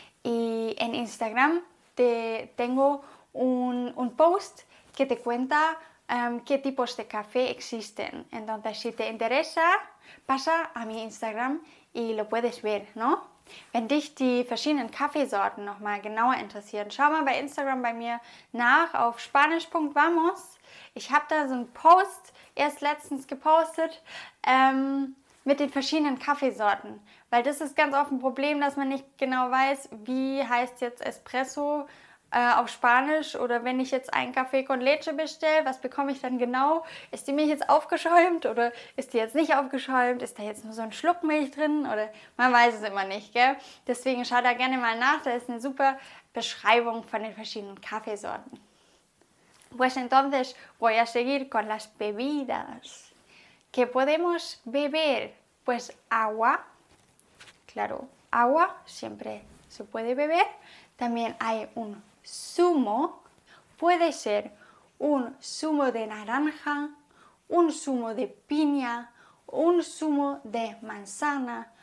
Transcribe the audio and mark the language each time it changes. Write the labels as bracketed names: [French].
[Spanish] Y en Instagram tengo un post que te cuenta qué tipos de café existen. Entonces, si te interesa, pasa a mi Instagram y lo puedes ver, ¿no? [German] Wenn dich die verschiedenen Kaffeesorten noch mal genauer interessieren, schau mal bei Instagram bei mir nach auf spanisch.vamos. Ich habe da so einen Post erst letztens gepostet mit den verschiedenen Kaffeesorten. Weil das ist ganz oft ein Problem, dass man nicht genau weiß, wie heißt jetzt Espresso auf Spanisch oder wenn ich jetzt einen Kaffee con leche bestelle, was bekomme ich dann genau? Ist die Milch jetzt aufgeschäumt oder ist die jetzt nicht aufgeschäumt? Ist da jetzt nur so ein Schluck Milch drin? Oder man weiß es immer nicht, gell? Deswegen schau da gerne mal nach, da ist eine super Beschreibung von den verschiedenen Kaffeesorten. [Spanish] Pues entonces voy a seguir con las bebidas. ¿Qué podemos beber? Pues agua. Claro, agua siempre se puede beber. También hay un zumo, puede ser un zumo de naranja, un zumo de piña, un zumo de manzana.